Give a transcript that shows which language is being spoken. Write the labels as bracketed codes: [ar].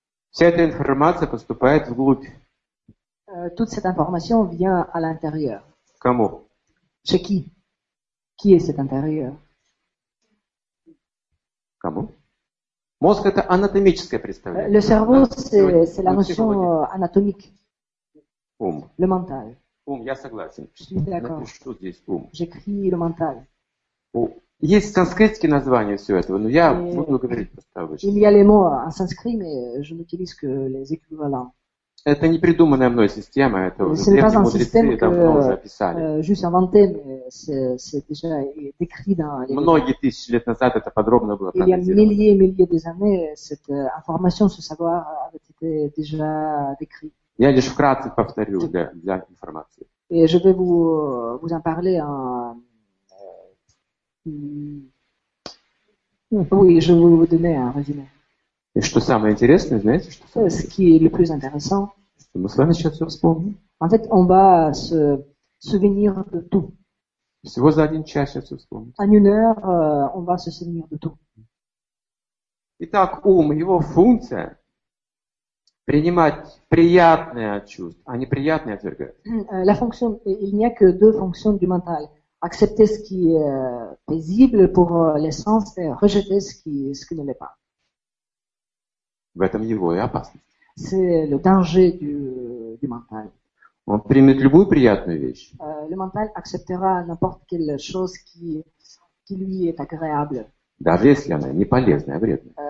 [ru] Вся эта информация поступает вглубь. [fr] Toute cette information vient à l'intérieur. [ru] Кому? [fr] Chez qui? Qui est cet intérieur? [ru] Кому? Мозг — это анатомическое представление. [fr] Le cerveau, c'est la notion anatomique. [ru] Ум. [fr] Le mental. [ru] Ум, я согласен. [fr] Je suis d'accord. [ru] Напишу здесь ум. [fr] J'écris le mental. [ru] Есть санскритские названия всего этого, но я буду говорить просто обычно. [fr] Il y a les mots en sanskrit, mais je n'utilise que les équivalents. [ru] Это не придуманная мной система, это уже древние мудрецы давно уже описали. [fr] Juste inventé, mais c'est déjà écrit dans les... [ru] Многие тысячи лет назад это подробно было проанализировано. [fr] Il y a milliers et milliers d'années, cette information, ce savoir avait été déjà décrit. Я лишь вкратце повторю для информации. Et je vais vous en parler en... Oui, je vais vous donner un résumé. [ru] И что самое интересное, знаете, что самое интересное? [fr] Ce qui est le plus intéressant. [ru] Что мы с вами сейчас все вспомним. [fr] En fait, on va se souvenir de tout. [ru] Всего за один час сейчас все вспомним. [fr] En une heure, on va se souvenir de tout. [ru] Итак, ум, его функция принимать приятное чувство, а неприятное отвергать. [fr] La fonction, il n'y a que deux fonctions du mental. Accepter ce qui est paisible pour l'essence et rejeter ce qui ne l'est pas. [ru] В этом его и опасность. [fr] C'est le danger du mental. [ru] Он примет любую приятную вещь. [fr] Le mental acceptera n'importe quelle chose qui lui est agréable. [ru] Даже если она не полезная, а вредная.